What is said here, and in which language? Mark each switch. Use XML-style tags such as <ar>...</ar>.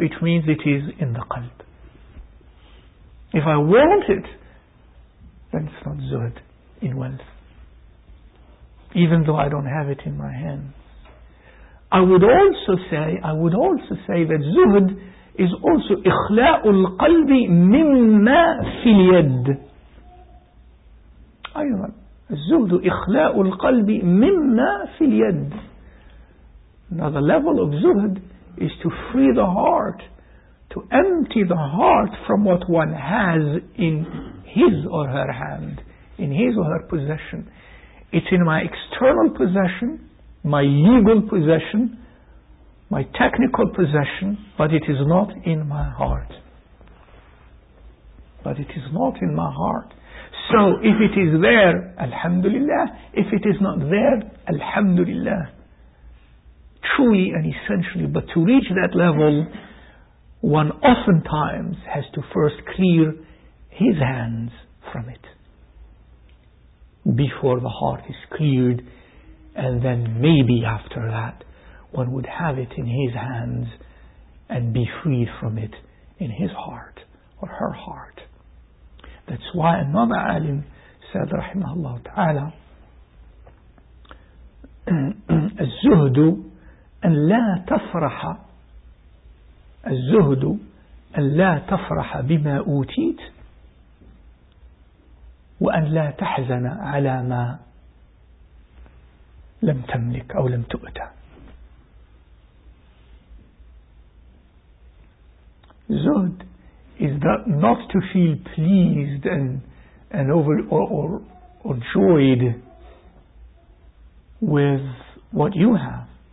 <en>It means it is in the qalb. If I want it, then it's not zuhd in wealth. Even though I don't have it in my hands. I would also say that zuhd is also</en> <ar>ikhla'ul qalbi mimma fil yad. أيضا الزهد إخلاء القلب مما في اليد.</ar> <en>Another level of zuhd is to free the heart, to empty the heart from what one has in his or her hand, in his or her possession. It's in my external possession, my legal possession, my technical possession, but it is not in my heart. But it is not in my heart. So if it is there, alhamdulillah. If it is not there, alhamdulillah. Truly and essentially, but to reach that level, one oftentimes has to first clear his hands from it before the heart is cleared, and then maybe after that one would have it in his hands and be freed from it in his heart or her heart. That's why another alim said, rahimahullah ta'ala,</en> <ar>az-zuhdu أن لا تفرح الزهد أن لا تفرح بما أوتيت وأن لا تحزن على ما لم تملك أو لم تؤتى.</ar> <en>زهد is that not to feel pleased and over or joyed with what you have,</en>